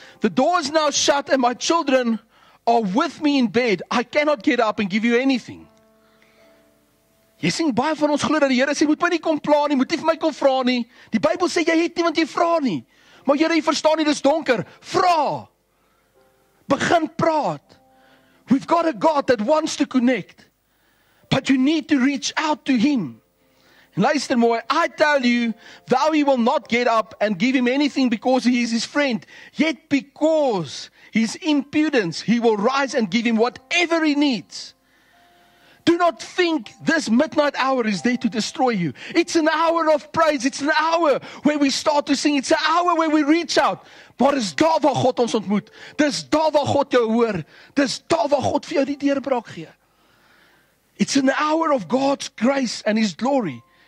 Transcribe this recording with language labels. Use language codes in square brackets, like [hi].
[en] The door is now shut and my children are with me in bed. I cannot get up and give you anything. [af] Jy sien, baie van ons glo dat die Here sê, moet my nie kom pla nie, moet nie vir my kom vra nie. Die Bybel sê, jy het nie, want jy vra nie. Maar Here, jy verstaan nie, dis donker. Vra! Begin praat. [en] We've got a God that wants to connect. But you need to reach out to Him. [af] En luister mooi, [en] I tell you, thou he will not get up and give him anything because he is his friend. Yet because his impudence, he will rise and give him whatever he needs. Do not think this midnight hour is there to destroy you. It's an hour of praise. It's an hour where we start to sing. It's an hour where we reach out. [af] Maar dis daar waar God ons ontmoet. Dis daar waar God jou hoor. Dis daar waar God vir jou die deurbraak gee. [en] It's an hour of God's grace and His glory.